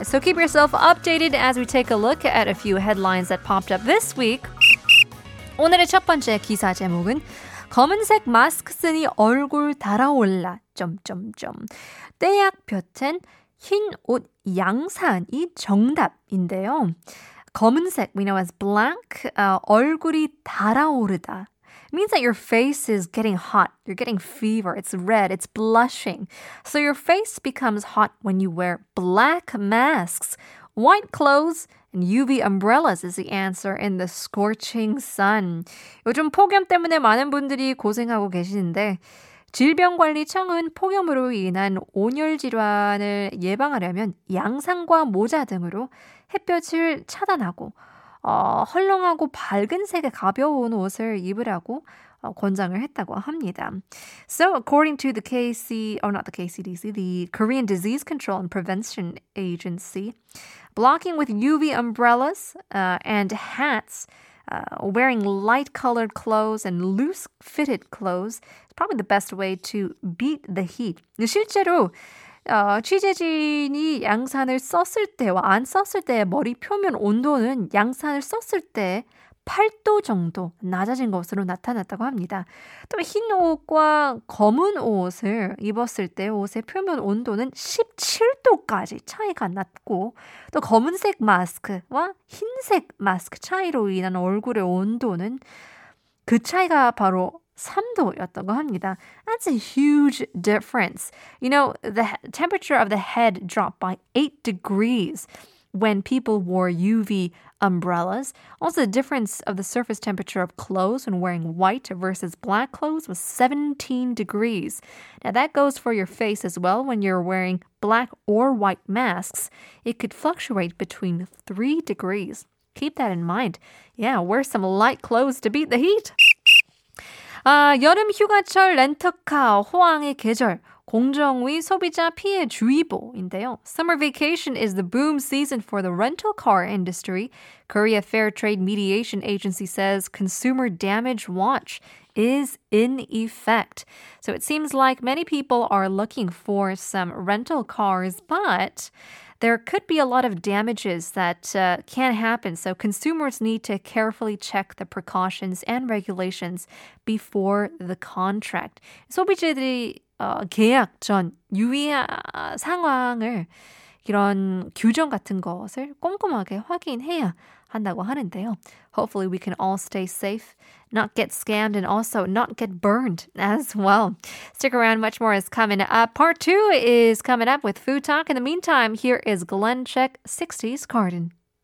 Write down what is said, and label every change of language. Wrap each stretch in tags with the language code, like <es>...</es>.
<en>So keep yourself updated as we take a look at a few headlines that popped up this week.</en> <ko>오늘의 첫 번째 기사 제목은 검은색 마스크 쓰니 얼굴 달아올라 점점점 떼약 볕엔 흰 옷 양산이 정답인데요.</ko> <en>검은색, we know as black, 얼굴이 달아오르다. It means that your face is getting hot. You're getting fever. It's red. It's blushing. So your face becomes hot when you wear black masks. White clothes and UV umbrellas is the answer in the scorching sun.</en> <ko>요즘 폭염 때문에 많은 분들이 고생하고 계시는데 질병관리청은 폭염으로 인한 온열질환을 예방하려면 양산과 모자 등으로 햇볕을 차단하고 헐렁하고 밝은 색의 가벼운 옷을 입으라고 권장을 했다고 합니다.</ko> <en>So according to the KC, or not the KCDC, the Korean Disease Control and Prevention Agency, blocking with UV umbrellas and hats, wearing light-colored clothes and loose-fitted clothes is probably the best way to beat the heat.</en> <ko>실제로 취재진이 양산을 썼을 때와 안 썼을 때 머리 표면 온도는 양산을 썼을 때 8도 정도 낮아진 것으로 나타났다고 합니다. 또 흰 옷과 검은 옷을 입었을 때 옷의 표면 온도는 17도까지 차이가 났고 또 검은색 마스크와 흰색 마스크 차이로 인한 얼굴의 온도는 그 차이가 바로 3도였다고 합니다.</ko> <en>That's a huge difference. You know, the temperature of the head dropped by 8 degrees when people wore UV umbrellas. Also, the difference of the surface temperature of clothes when wearing white versus black clothes was 17 degrees. Now, that goes for your face as well. When you're wearing black or white masks, it could fluctuate between 3 degrees. Keep that in mind. Yeah, wear some light clothes to beat the heat.</en> <ko>여름 휴가철 렌터카 호황의 계절 공정위 소비자 피해 주의보인데요.</ko> <en>Summer vacation is the boom season for the rental car industry. Korea Fair Trade Mediation Agency says consumer damage watch is in effect. So it seems like many people are looking for some rental cars, but there could be a lot of damages that can happen, so consumers need to carefully check the precautions and regulations before the contract.</en> <ko>소비자들이 계약 전 유의 상황을 이런 규정 같은 것을 꼼꼼하게 확인해야 한다고 하는데요.</ko> <en>Hopefully we can all stay safe, not get scammed, and also not get burned as well. Stick around, much more is coming up. Part 2 is coming up with Food Talk. In the meantime, here is Glenn Check, 60s Garden.</en>